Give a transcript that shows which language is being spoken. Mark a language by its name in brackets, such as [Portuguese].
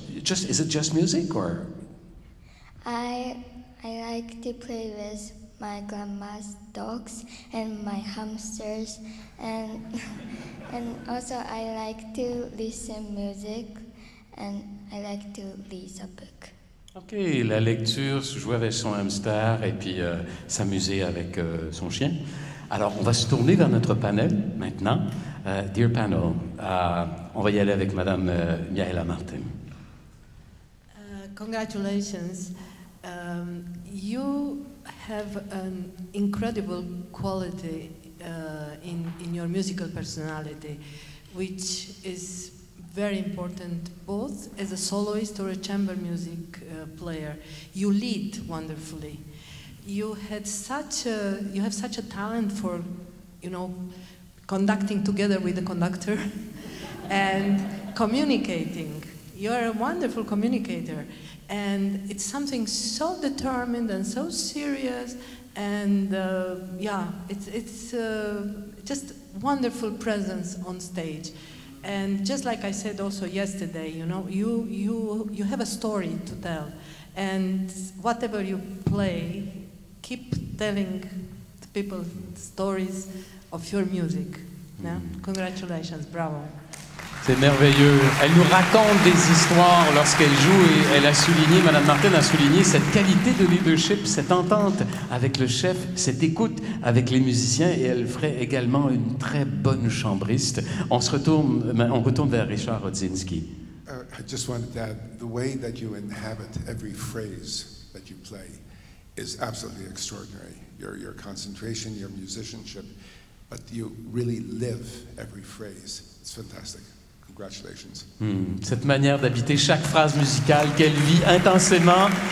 [English] Is it just music or? I like to play with my grandma's dogs and my hamsters. And also I like to listen music and I like to read a book. [French] OK, la lecture, jouer avec son hamster et puis s'amuser avec son chien. Alors, on va se tourner vers notre panel maintenant. [English] Dear panel, [French] on va y aller avec Madame Mihaela Martin. [English] Congratulations. You have an incredible quality in your musical personality, which is very important both as a soloist or a chamber music player. You lead wonderfully. You have such a talent for, you know, conducting together with the conductor and communicating. You are a wonderful communicator. And it's something so determined and so serious. And it's just wonderful presence on stage. And just like I said also yesterday, you know, you have a story to tell. And whatever you play, keep telling the people stories of your music. Yeah? Congratulations, bravo. [French] C'est merveilleux. Elle nous raconte des histoires lorsqu'elle joue et elle a souligné, Madame Martin a souligné, cette qualité de leadership, cette entente avec le chef, cette écoute avec les musiciens et elle ferait également une très bonne chambriste. On retourne vers Richard Rodzinski. [English] I just wanted to add, the way that you inhabit every phrase that you play is absolutely extraordinary. Your concentration, your musicianship, but you really live every phrase. It's fantastic. Congratulations. [French] Cette manière d'habiter chaque phrase musicale qu'elle vit intensément.